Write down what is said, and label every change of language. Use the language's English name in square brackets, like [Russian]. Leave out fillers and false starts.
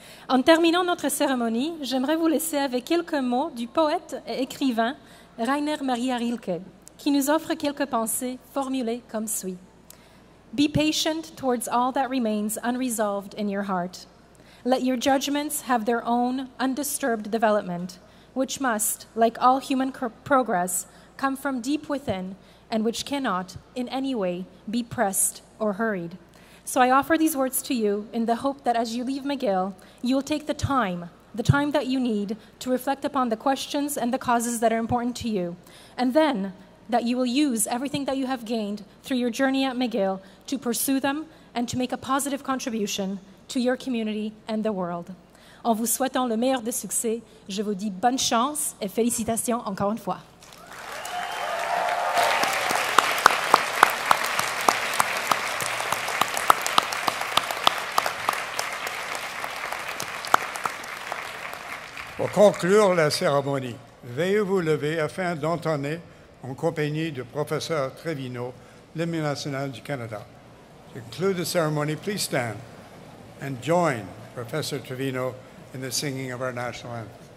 [French] En terminant notre cérémonie, j'aimerais vous laisser avec quelques mots du poète et écrivain Rainer Maria Rilke, qui nous offre quelques pensées formulées comme suit. [English] Be patient towards all that remains unresolved in your heart. Let your judgments have their own undisturbed development, which must, like all human progress, come from deep within and which cannot in any way be pressed or hurried. So I offer these words to you in the hope that as you leave McGill, you will take the time that you need to reflect upon the questions and the causes that are important to you, and then that you will use everything that you have gained through your journey at McGill to pursue them and to make a positive contribution to your community and the world. [French] En vous souhaitant le meilleur des succès, je vous dis bonne chance et félicitations encore une fois. Pour conclure la cérémonie, veuillez vous lever afin d'entonner en compagnie du professeur Trevino, l'hymne national du Canada. [English] To conclude the ceremony, please stand and join Professor Trevino in the singing of our national anthem.